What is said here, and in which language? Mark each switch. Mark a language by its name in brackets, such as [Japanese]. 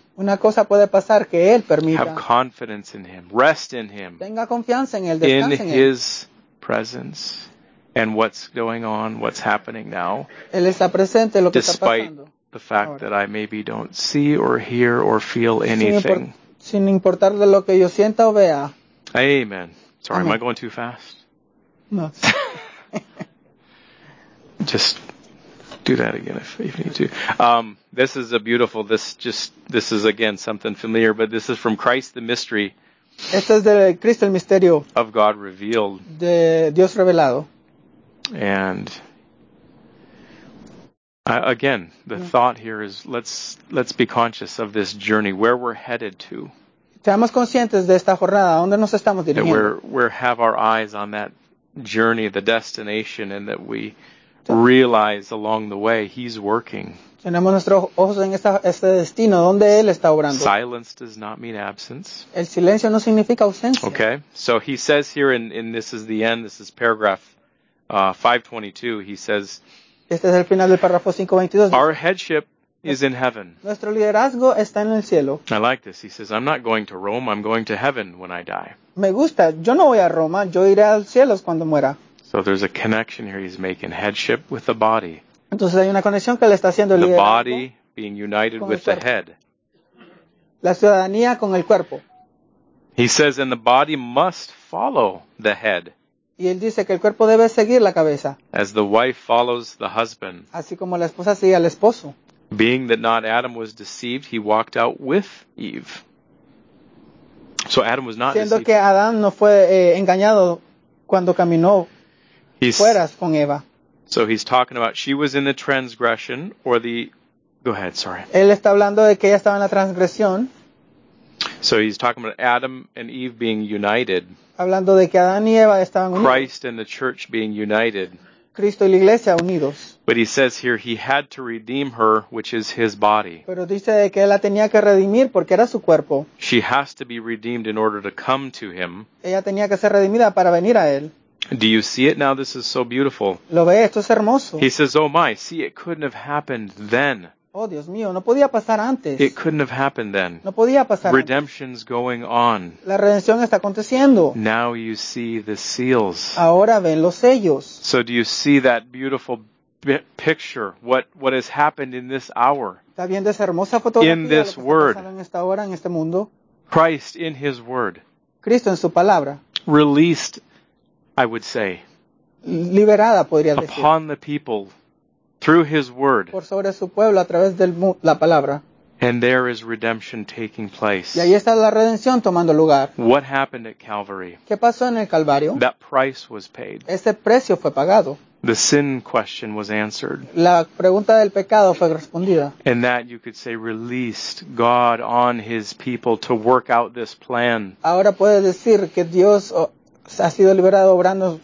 [Spanish] Una cosa puede pasar que él permita. [English] Have confidence in him. Rest in him. [Spanish] Tenga confianza en él, descanse en él. [English] In his presence and what's going on, what's happening now. [Spanish] Él está presente lo que está pasando. [English] Despite the fact that I maybe don't see or hear or feel anything. [Spanish] Sin importar de lo que yo sienta o vea. [English] Amen. Sorry, Amen. Am I going too fast? No. Just do that again if you need to. This is a beautiful, this is again something familiar, but this is from Christ the Mystery. [Spanish] Esto es de Cristo el Misterio. [English] Of God Revealed. [Spanish] De Dios Revelado. [English] And again, the thought here is let's be conscious of this journey, where we're headed to. [Spanish] Seamos conscientes de esta jornada, ¿dónde nos estamos dirigiendo? [English] We're have our eyes on that journey, the destination, and that we realize along the way he's working. [Spanish] Tenemos nuestros ojos en este destino donde él está obrando. [English] Silence does not mean absence. [Spanish] El silencio no significa ausencia. [English] Okay, so he says here, in this is the end, this is paragraph 522, he says, [Spanish] este es el final del párrafo 522. [English] Our headship is in heaven. [Spanish] Nuestro liderazgo está en el cielo. [English] I like this. He says, I'm not going to Rome, I'm going to heaven when I die. [Spanish] Me gusta. Yo no voy a Roma. Yo iré al cielo cuando muera. [English] So there's a connection here he's making. Headship with the body. [Spanish] Entonces hay una conexión que le está haciendo el liderazgo. [English] The body being united with the head. [Spanish] La ciudadanía con el cuerpo. [English] He says, and the body must follow the head. [Spanish] Y él dice que el cuerpo debe seguir la cabeza. [English] As the wife follows the husband. [Spanish] Así como la esposa sigue al esposo. [English] Being that not Adam was deceived, he walked out with Eve. So Adam was not [Spanish] siendo [English] deceived. [Spanish] Que Adán no fue engañado cuando caminó fuera con Eva. [English] So he's talking about she was in the transgression or the... Go ahead, sorry. [Spanish] Él está hablando de que ella estaba en la transgresión. [English] So he's talking about Adam and Eve being united. [Spanish] Hablando de que Adán y Eva estaban unidos. [English] Christ and the church being united. [Spanish] Cristo y la iglesia unidos. [English] But he says here he had to redeem her, which is his body. [Spanish] Pero dice que él la tenía que redimir porque era su cuerpo. [English] She has to be redeemed in order to come to him. [Spanish] Ella tenía que ser redimida para venir a él. [English] Do you see it now? This is so beautiful. [Spanish] Lo ve, esto es hermoso. [English] He says, oh my, see, it couldn't have happened then. [Spanish] Oh, Dios mío, no podía pasar antes. [English] It couldn't have happened then. [Spanish] No podía pasar antes. [English] Redemption's going on. [Spanish] La redención está aconteciendo. [English] Now you see the seals. [Spanish] Ahora ven los sellos. [English] So do you see that beautiful picture, what has happened in this hour? [Spanish] ¿Está viendo esa hermosa fotografía? [English] In this word. [Spanish] En esta hora, en este mundo. [English] Christ in his word. [Spanish] Cristo en su palabra. [English] Released, I would say. [Spanish] liberada, podría decir. [English] Upon the people through his word. [Spanish] Por sobre su pueblo a través de la palabra. [English] And there is redemption taking place. [Spanish] Y ahí está la redención tomando lugar. [English] What happened at Calvary? [Spanish] ¿Qué pasó en el Calvario? [English] That price was paid. [Spanish] Ese precio fue pagado. [English] The sin question was answered. [Spanish] La pregunta del pecado fue respondida. [English] And that, you could say, released God on his people to work out this plan. [Spanish] Ahora puedes decir que Dios ha sido liberado obrando.